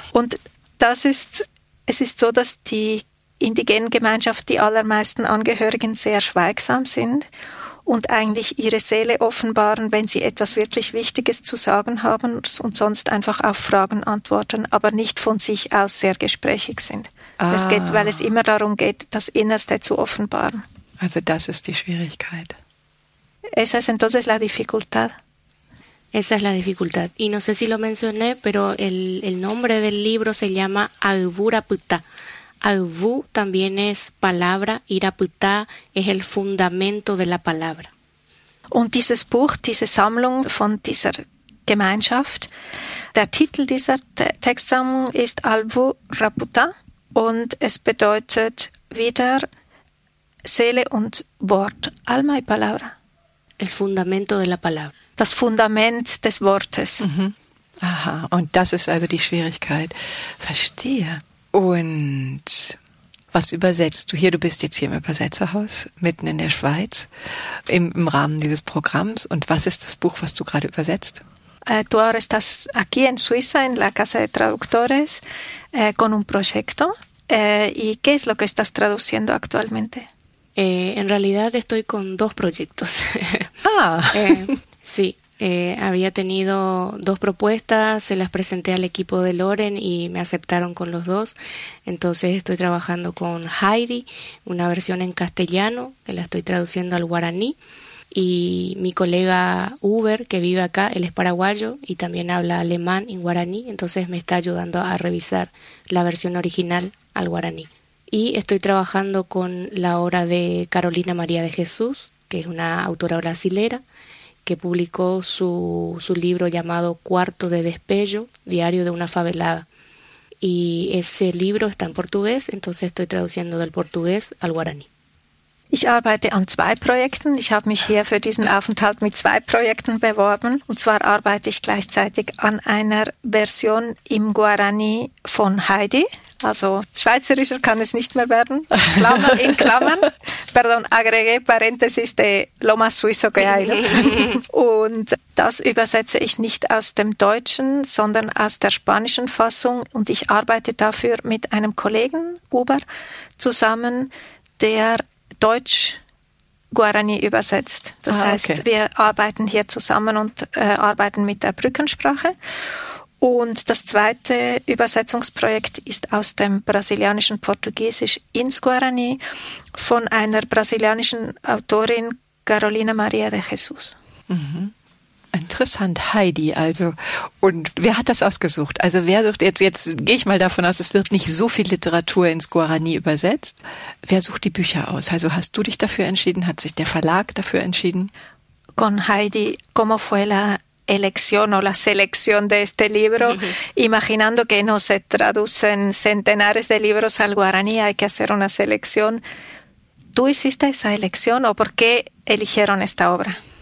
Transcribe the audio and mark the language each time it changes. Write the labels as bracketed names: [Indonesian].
[German] Und es ist so, dass die indigenen Gemeinschaft, die allermeisten Angehörigen, sehr schweigsam sind und eigentlich ihre Seele offenbaren, wenn sie etwas wirklich Wichtiges zu sagen haben und sonst einfach auf Fragen antworten, aber nicht von sich aus sehr gesprächig sind. Ah. Es geht, weil es immer darum geht, das Innerste zu offenbaren. Also das ist die Schwierigkeit. [Spanish] Esa es entonces la dificultad. Esa es la dificultad. Y no sé si lo mencioné, pero el nombre del libro se llama Agvuraputta. Agvu también es palabra, Iraputta es el fundamento de la palabra. [German] Und dieses Buch, diese Sammlung von dieser Gemeinschaft, der Titel dieser Textsammlung ist Agvuraputta und es bedeutet wieder Seele und Wort, [Spanish] Alma y Palabra. El fundamento de la palabra. [German] Das Fundament des Wortes. Mhm. Aha, und das ist also die Schwierigkeit. Verstehe. Und was übersetzt du hier? Du bist jetzt hier im Übersetzerhaus, mitten in der Schweiz, im Rahmen dieses Programms. Und was ist das Buch, was du gerade übersetzt? [Spanish] Du estás aquí en Suiza, en la Casa de Traductores, con un proyecto. ¿Y qué es lo que estás traduciendo actualmente? En realidad estoy con dos proyectos. Ah. Sí, había tenido dos propuestas, se las presenté al equipo de Loren y me aceptaron con los dos. Entonces estoy trabajando con Heidi, una versión en castellano, que la estoy traduciendo al guaraní. Y mi colega Uber, que vive acá, él es paraguayo y también habla alemán y guaraní. Entonces me está ayudando a revisar la versión original al guaraní. Y estoy trabajando con la obra de Carolina María de Jesús, que es una autora brasilera, que publicó su libro llamado Cuarto de Despello, Diario de una Favelada. Y ese libro está en portugués, entonces estoy traduciendo del portugués al guaraní. [German] Ich arbeite an zwei Projekten. Ich habe mich hier für diesen Aufenthalt mit zwei Projekten beworben. Und zwar arbeite ich gleichzeitig an einer Version im Guarani von Heidi. Also schweizerischer kann es nicht mehr werden. Klammer in Klammern. [Spanish] Pardon, agregué paréntesis de lo más suizo que hay. [German] Und das übersetze ich nicht aus dem Deutschen, sondern aus der spanischen Fassung. Und ich arbeite dafür mit einem Kollegen, Uber, zusammen, der Deutsch Guarani übersetzt. Das heißt, okay. Wir arbeiten hier zusammen und arbeiten mit der Brückensprache. Und das zweite Übersetzungsprojekt ist aus dem brasilianischen Portugiesisch ins Guarani von einer brasilianischen Autorin, Carolina Maria de Jesus. Mhm. Interessant, Heidi. Also, und wer hat das ausgesucht? Also, wer sucht jetzt gehe ich mal davon aus, es wird nicht so viel Literatur ins Guarani übersetzt. Wer sucht die Bücher aus? Also, hast du dich dafür entschieden? Hat sich der Verlag dafür entschieden? [Spanish] Con Heidi, ¿cómo fue la elección o la selección de este libro? Imaginando que no se traducen centenares de libros al Guarani, hay que hacer una selección. ¿Tú hiciste esa elección o por qué eligieron esta obra?